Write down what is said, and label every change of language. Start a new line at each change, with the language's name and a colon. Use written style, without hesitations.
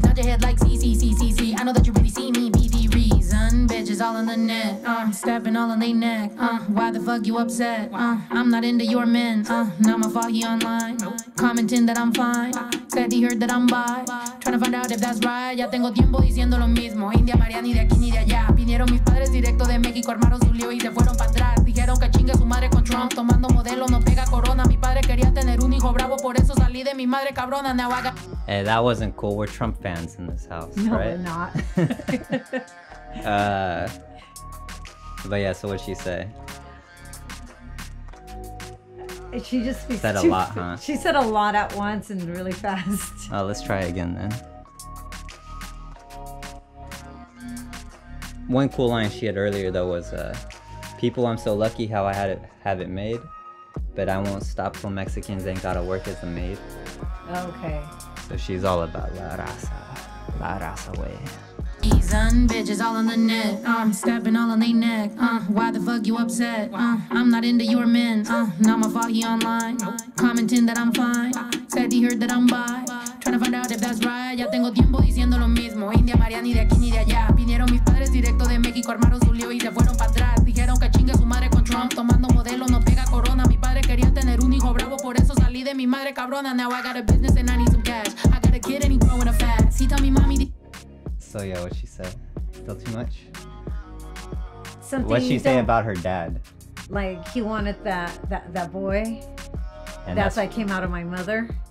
English: Nod your head like C-C-C-C-C. I know that you really see me. Be the reason, bitches all in the net. Stepping all in they neck. Why the fuck you upset? I'm not into your men. Not my fault, he online. Commenting that I'm fine. Said he heard that I'm bi. Trying to find out if that's right.
Spanish: Ya tengo tiempo diciendo lo mismo. India, María, ni de aquí ni de allá. Vinieron mis padres directo de México, armaron su lío y se fueron para atrás. Dijeron que chingue su madre con Trump. Tomando modelo, no pega corona. Mi padre quería tener un hijo bravo, por eso salí de mi madre cabrona.
English: Now I got... Hey, that wasn't cool. We're Trump fans in this house, no, right? No, we're not. But yeah, so what'd she say? She just said a lot, huh? She said a lot at once and really fast. Oh, let's try again then. One cool line she had earlier though was, people, I'm so lucky how I had it, have it made, but I won't stop till Mexicans ain't gotta work as a maid. Okay. So she's all about la raza way. Son, bitches all on the net. Stepping all on they neck. Why the fuck you upset? I'm not into your men. Not my fault, he online. Commenting that I'm fine. Said he heard that I'm bi. Trying to find out if that's right.
Spanish: Ya tengo tiempo diciendo lo mismo. India, María, ni de aquí ni de allá. Vinieron mis padres directo de México, armaron su lío y se fueron para atrás. Dijeron que chingue su madre con Trump. Tomando modelo, no pega corona. Mi padre quería tener un hijo bravo, por eso salí de mi madre cabrona.
English: Now I got a business and I need some cash. I got a kid and he growing up fast. He tell me mommy. So yeah, what she said. Still too much? Something. What'd she say about her dad? Like, he wanted that boy. And that's why I came out of my mother.